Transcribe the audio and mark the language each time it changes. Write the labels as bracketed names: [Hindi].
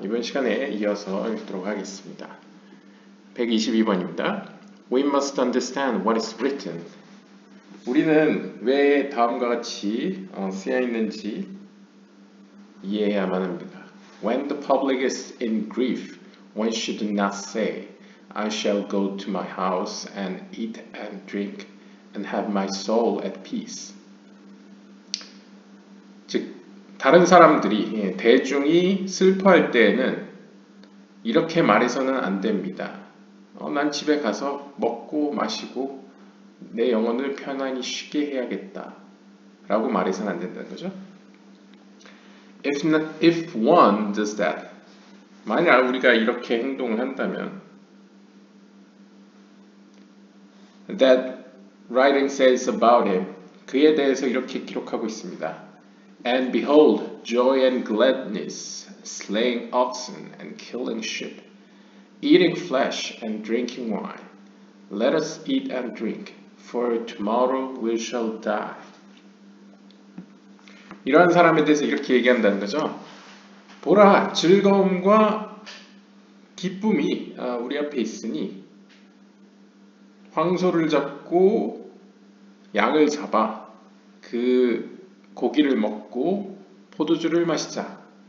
[Korean] 이번 시간에 이어서 읽도록 하겠습니다. 122번입니다. [English] We must understand what is written. [Korean] 우리는 왜 다음과 같이 쓰여 있는지 이해해야만 합니다. [English] When the public is in grief, one should not say, I shall go to my house and eat and drink and have my soul at peace. [Korean] 즉, 다른 사람들이, 대중이 슬퍼할 때에는 이렇게 말해서는 안 됩니다. 난 집에 가서 먹고 마시고 내 영혼을 편안히 쉬게 해야겠다. 라고 말해서는 안 된다는 거죠. [English] If one does that, [Korean] 만약 우리가 이렇게 행동을 한다면, [English] that writing says about him, [Korean] 그에 대해서 이렇게 기록하고 있습니다. [English] And behold, joy and gladness, slaying oxen and killing sheep, eating flesh and drinking wine. Let us eat and drink, for tomorrow we shall die. [Korean] 이러한 사람에 대해서 이렇게 얘기한다는 거죠. 보라, 즐거움과 기쁨이 우리 앞에 있으니, 황소를 잡고 양을 잡아 그 고기를 먹고 포도주를 마시자.